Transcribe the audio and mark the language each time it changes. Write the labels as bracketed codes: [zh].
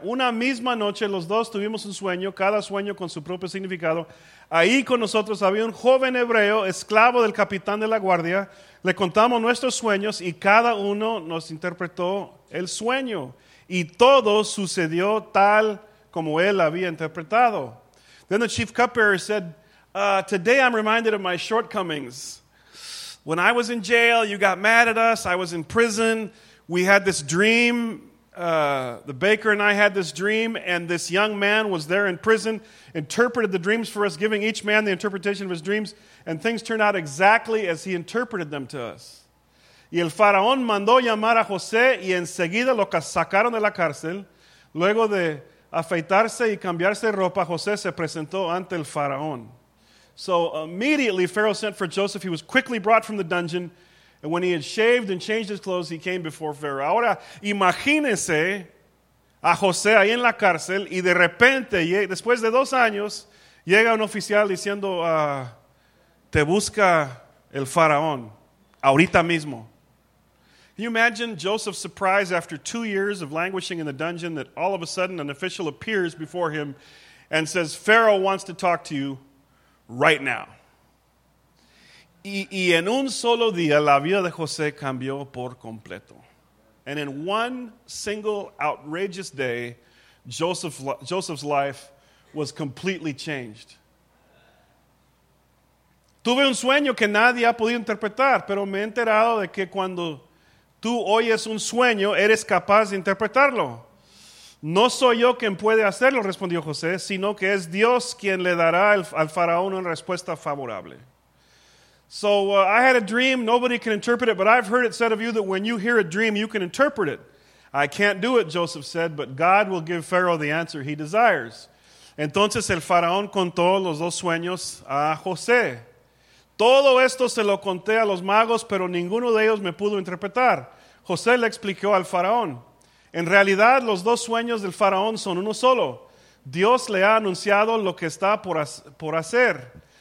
[es] Una misma noche, los dos tuvimos un sueño, cada sueño con su propio significado. Ahí con nosotros había un joven hebreo, esclavo del capitán de la guardia. Le contamos nuestros sueños y cada uno nos interpretó el sueño. Y todo sucedió tal como él había interpretado. [en] Then the chief cupbearer said, today I'm reminded of my shortcomings. When I was in jail, you got mad at us. I was in prison. We had this dream. The baker and I had this dream, and this young man was there in prison, interpreted the dreams for us, giving each man the interpretation of his dreams, and things turned out exactly as he interpreted them to us. [es] Y el faraón mandó llamar a José, y enseguida lo sacaron de la cárcel. Luego de afeitarse y cambiarse ropa, José se presentó ante el faraón. [en] So immediately Pharaoh sent for Joseph. He was quickly brought from the dungeon. And when he had shaved and changed his clothes, he came before Pharaoh. [es] Ahora, imagínense a José ahí en la cárcel y de repente, después de 2 años, llega un oficial diciendo, te busca el faraón, ahorita mismo. [en] Can you imagine Joseph's surprise after 2 years of languishing in the dungeon that all of a sudden an official appears before him and says, Pharaoh wants to talk to you right now. [es] Y en un solo día, la vida de José cambió por completo. [en] And in one single outrageous day, Joseph's life was completely changed. [es] Tuve un sueño que nadie ha podido interpretar, pero me he enterado de que cuando tú oyes un sueño, eres capaz de interpretarlo. No soy yo quien puede hacerlo, respondió José, sino que es Dios quien le dará al faraón una respuesta favorable. [en] So I had a dream, nobody can interpret it, but I've heard it said of you that when you hear a dream, you can interpret it. I can't do it, Joseph said, but God will give Pharaoh the answer he desires. [es] Entonces el faraón contó los dos sueños a José. Todo esto se lo conté a los magos, pero ninguno de ellos me pudo interpretar. José le explicó al faraón. En realidad, los dos sueños del faraón son uno solo. Dios le ha anunciado lo que está por hacer.